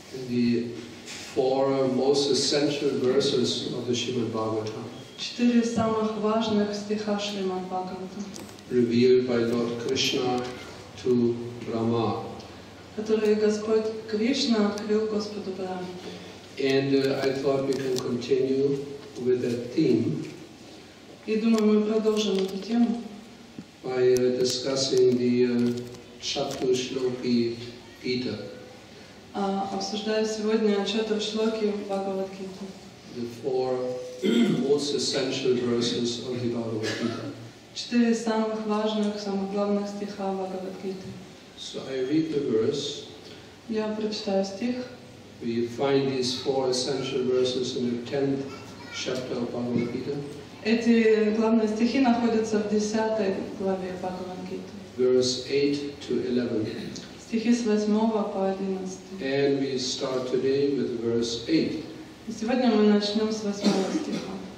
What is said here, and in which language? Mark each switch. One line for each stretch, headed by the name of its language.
English: The four most essential verses of the Shrimad Bhagavatam.
Russian: Четыре самых важных стиха Шримад Бхагаватам.
English: Revealed by Lord Krishna to Brahma.
Russian: Которые Господь Кришна открыл Господу Брахме.
English: And I thought we can continue with that theme.
Russian: И думаю, мы продолжим эту тему.
English: By discussing the Чатуршлоки Гита.
Russian: Обсуждаю сегодня Чатуршлоки Бхагавад Гита.
English: The four most essential verses of the Bhagavad Gita.
Russian: Четыре самых важных, самых главных стиха Бхагавад Гиты.
English: So I read the verse.
Russian: Я прочитаю стих.
English: We find these four essential verses in the 10th chapter of Bhagavad Gita.
Russian: Эти главные стихи находятся в 10 главе Бхагавад Гиты.
English: Verse 8-11.
Russian: Стихи с 8 по 11.
English: And we start today with verse 8.
Russian: Сегодня мы начнем с 8 стиха.